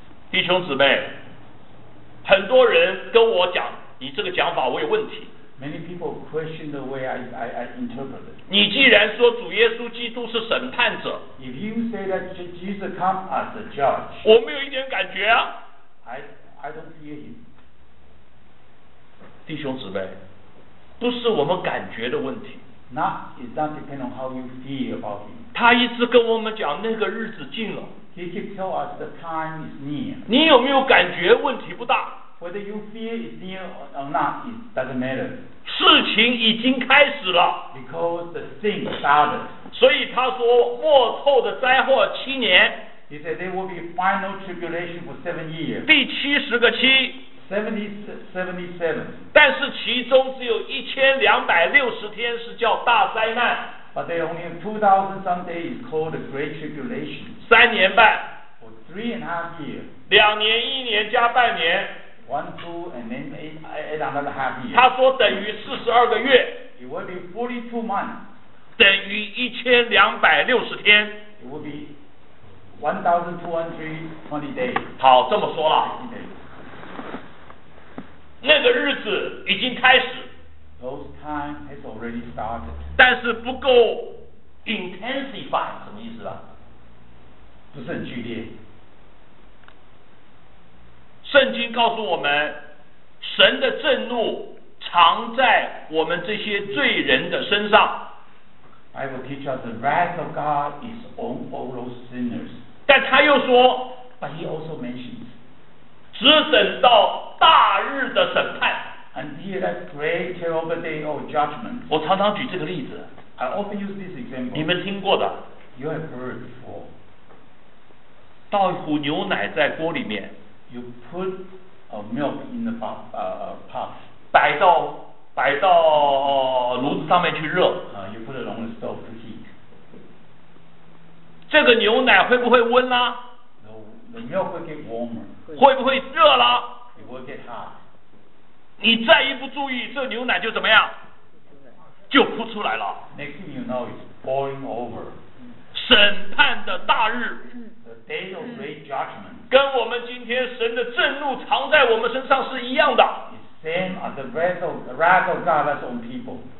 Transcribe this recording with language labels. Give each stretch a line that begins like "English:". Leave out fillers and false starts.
Chinese: 弟兄姊妹，很多人跟我讲，你这个讲法我有问题。
English: Many people question the way I interpret it.
Chinese: 你既然说主耶稣基督是审判者，
English: If you say that Jesus comes as a judge,
Chinese: 我没有一点感觉啊。
English: I don't feel him.
Chinese: 弟兄姊妹，不是我们感觉的问题。
English: It's not depend on how you feel about him.
Chinese: 他一直跟我们讲那个日子近了。
English: He keep tell us the time is near.
Chinese: 你有没有感觉问题不大？
English: Whether you feel it's near or not, it doesn't matter.
Chinese: 事情已经开始了。
English: Because the thing started.
Chinese: 所以他说末后的灾祸七年。
English: He said there will be final tribulation for 7 years.
Chinese: 第七十个七。
English: 77.
Chinese: 但是其中只有1260天是叫大灾难。
English: But there are only 2,000 some days called the Great Tribulation.
Chinese: 3年半。
English: For 3.5 years.
Chinese: 2年1年加半年。
English: 1, 2, and then 8, 8.5 years.
Chinese: 他说等于42个月。
English: It will be 42 months.
Chinese: 等于1260天。
English: it will be 1,220 days.
Chinese: 好，这么说了。那个日子已经开始。
English: Those time has already started.
Chinese: 但是不够 intensify， 什么意思啊？不是很剧烈。圣经告诉我们，神的震怒藏在我们这些罪人的身上。
English: Bible teaches us the wrath of God is on all those sinners.
Chinese: 但他又说
English: ，But he also mentions，
Chinese: 只等到大日的审判。
English: Until that great terrible day of judgment.
Chinese: 我常常举这个例子。
English: I often use this example.
Chinese: 你们听过的。
English: You have heard before.
Chinese: 倒一壶牛奶在锅里面。
English: You put a milk in the pot. Pot.
Chinese: 摆到炉子上面去热。
English: You put it on the stove to heat.
Chinese: 这个牛奶会不会温啦？
English: The milk will get warmer.
Chinese: 会不会热啦？
English: It will get hot.
Chinese: 你再一不注意，这牛奶就怎么样？就扑出来了。
English: Next thing you know, it's boiling over.
Chinese: 审判的大日。
English: The day of great judgment.
Chinese: 跟我们今天神的震怒藏在我们身上是一样的。
English: Same as the wrath of God that's on people.